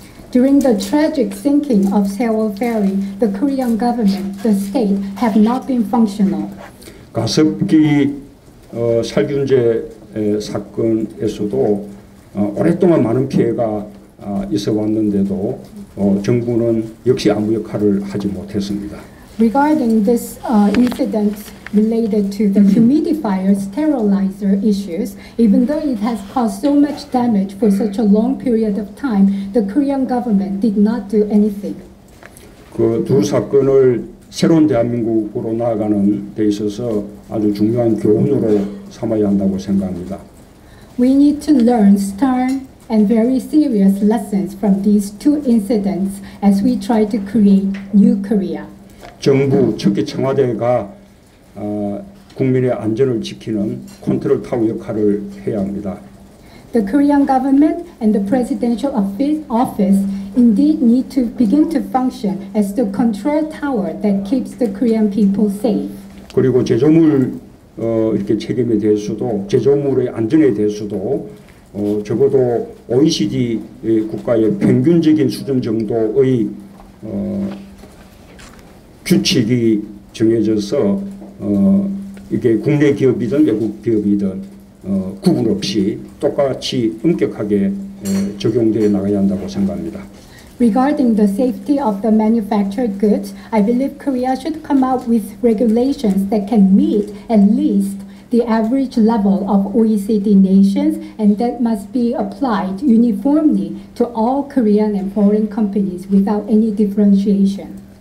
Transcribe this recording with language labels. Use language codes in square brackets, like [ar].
[en] During the tragic sinking of Sewol Ferry, the Korean government, the state, have not been functional. [ko] 가습기 살균제 사건에서도 오랫동안 많은 피해가 있어 왔는데도 정부는 역시 아무 역할을 하지 못했습니다. [en] Regarding this incident related to the humidifier sterilizer issues, even though it has caused so much damage for such a long period of time, the Korean government did not do anything. [ko] 그 두 사건을 새로운 대한민국으로 나아가는 데 있어서 아주 중요한 교훈으로 삼아야 한다고 생각합니다. [en] We need to learn stern and very serious lessons from these two incidents as we try to create new Korea. [ko] 정부, 특히 청와대가 국민의 안전을 지키는 컨트롤 타워 역할을 해야 합니다. [en] The Korean government and the presidential office indeed need to begin to function as the control tower that keeps the Korean people safe. [ko] 그리고 제조물 이렇게 책임에 대해서도 제조물의 안전에 대해서도 적어도 OECD 국가의 평균적인 수준 정도의 규칙이 정해져서 이게 국내 기업이든 외국 기업이든 구분 없이 똑같이 엄격하게 적용되어 나가야 한다고 생각합니다. [en] Regarding the safety of the manufactured goods, I believe Korea should come up with regulations that can meet at least the average level of OECD nations, and that must be applied uniformly to all Korean and foreign companies without any differentiation.